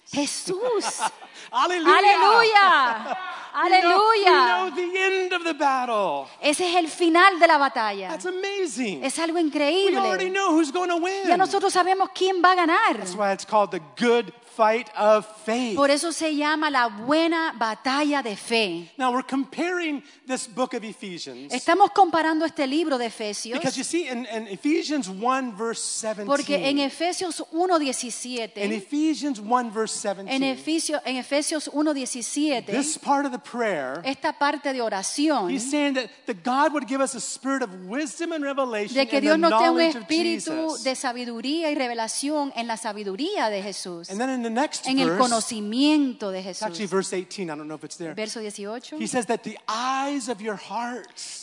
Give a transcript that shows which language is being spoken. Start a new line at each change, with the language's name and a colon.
Spanish: Jesús. Aleluya. Aleluya. Aleluya.
English: We know the end of the battle.
Spanish: Ese es el final de la batalla.
English: That's amazing.
Spanish: Es algo increíble.
English: We already know who's going to win.
Spanish: Ya nosotros sabemos quién va a ganar.
English: That's why it's called the good fight of faith.
Spanish: Por eso se llama la buena batalla de fe.
English: Now we're comparing this book of Ephesians.
Spanish: Estamos comparando este libro de Efesios.
English: Because you see in Ephesians 1 verse 17.
Spanish: Porque en Efesios 1:17.
English: In Ephesians 1 verse 17.
Spanish: En Efesios 1:17.
English: This part of the prayer.
Spanish: Esta parte de oración.
English: He's saying that God would give us a spirit of wisdom and revelation.
Spanish: De que Dios nos dé un espíritu de sabiduría y revelación en la sabiduría de Jesús.
English: And then in the next
Spanish: en
English: verse,
Spanish: el conocimiento de Jesús.
English: Actually, verse 18. I don't know if it's there.
Spanish: Verso 18.
English: He says that the eyes of your hearts